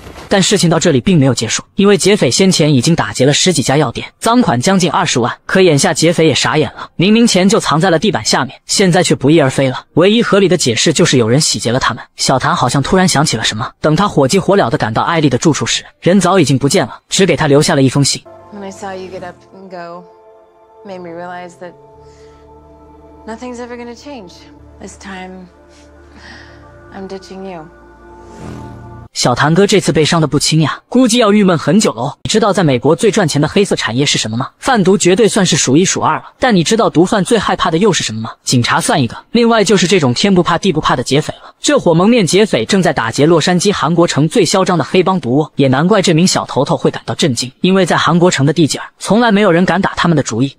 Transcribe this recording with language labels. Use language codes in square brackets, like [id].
[zh] 但事情到这里并没有结束，因为劫匪先前已经打劫了十几家药店，赃款将近20万。可眼下劫匪也傻眼了，明明钱就藏在了地板下面，现在却不翼而飞了。唯一合理的解释就是有人洗劫了他们。小谭好像突然想起了什么，等他火急火燎地赶到艾丽的住处时，人早已经不见了，只给他留下了一封信。 [en] When I saw you get up and go, made me realize that nothing's ever gonna change. This time, I'm ditching you. [zh] 小谭哥这次被伤得不轻呀，估计要郁闷很久了哦。你知道在美国最赚钱的黑色产业是什么吗？贩毒绝对算是数一数二了。但你知道毒贩最害怕的又是什么吗？警察算一个，另外就是这种天不怕地不怕的劫匪了。这伙蒙面劫匪正在打劫洛杉矶韩国城最嚣张的黑帮毒窝，也难怪这名小头头会感到震惊，因为在韩国城的地界从来没有人敢打他们的主意。